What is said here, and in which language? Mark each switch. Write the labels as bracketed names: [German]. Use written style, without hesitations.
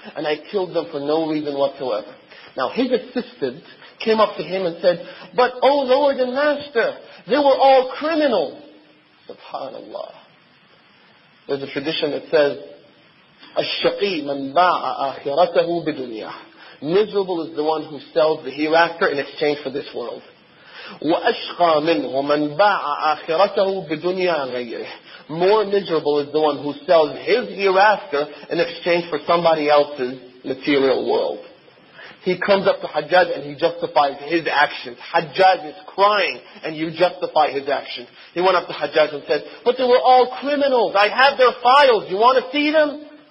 [English] And I killed them for no reason whatsoever. Now his assistant came up to him and said, but O Lord and Master, they were all criminals. SubhanAllah. There's a tradition that says, [Arabic] الشقي من باع آخرته بدنيا. [English] Miserable is the one who sells the hereafter in exchange for this world. [Arabic] وأشقى منه من باع آخرته بدنيا غيره. [English] More miserable is the one who sells his hereafter in exchange for somebody else's material world. He comes up to Hajjaj and he justifies his actions. Hajjaj is crying and you justify his actions. He went up to Hajjaj and said, but they were all criminals. I have their files. You want to see them?